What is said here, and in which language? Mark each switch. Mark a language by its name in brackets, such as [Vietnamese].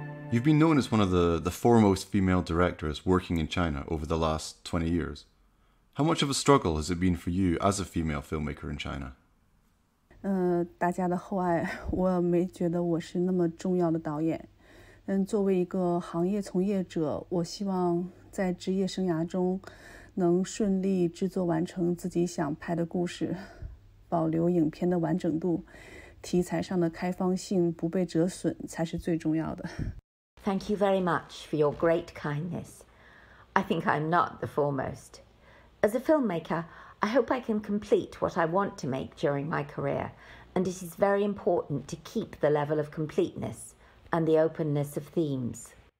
[English] You've been known as one of the foremost female directors working in China over the last 20 years. How much of a struggle has it been for you as a female filmmaker in China? [Chinese] 大家的厚爱, 我没觉得我是那么重要的导演, 但作为一个行业从业者, 我希望在职业生涯中能顺利制作完成自己想拍的故事, 保留影片的完整度, 题材上的开放性, 不被折损, 才是最重要的。 [English] Thank you very much for your great kindness. I think I'm not the foremost. As a filmmaker, I hope I can complete what I want to make during my career, and it is very important to keep the level of completeness and the openness of themes.